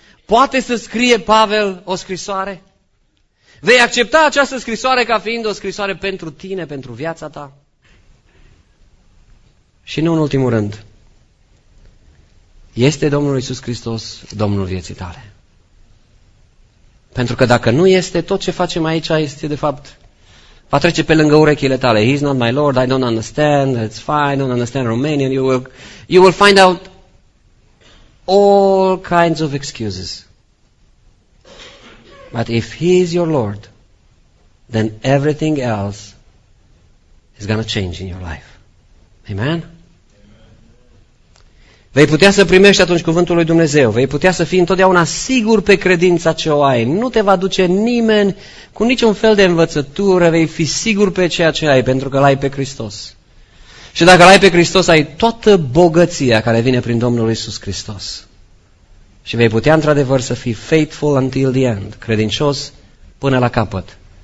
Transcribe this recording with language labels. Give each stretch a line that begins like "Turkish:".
Romanian: Poate să scrie Pavel o scrisoare? Vei accepta această scrisoare ca fiind o scrisoare pentru tine, pentru viața ta? Și nu în ultimul rând, este Domnul Iisus Hristos Domnul vieții tale? Pentru că dacă nu este, tot ce facem aici este de fapt, va trece pe lângă urechile tale.
English: He's not my Lord, I don't understand, it's fine, I don't understand Romanian. You will find out all kinds of excuses. But if He is your Lord, then everything else is going to change in your life. Amen? Amen?
Romanian: Vei putea să primești atunci cuvântul lui Dumnezeu. Vei putea să fii întotdeauna sigur pe credința ce o ai. Nu te va duce nimeni cu niciun fel de învățătură. Vei fi sigur pe ceea ce ai, pentru că l-ai pe Hristos. Și dacă l-ai pe Hristos, ai toată bogăția care vine prin Domnul Iisus Hristos. Și vei putea într-adevăr să fii
English: faithful until the end,
Romanian: credincios până la capăt.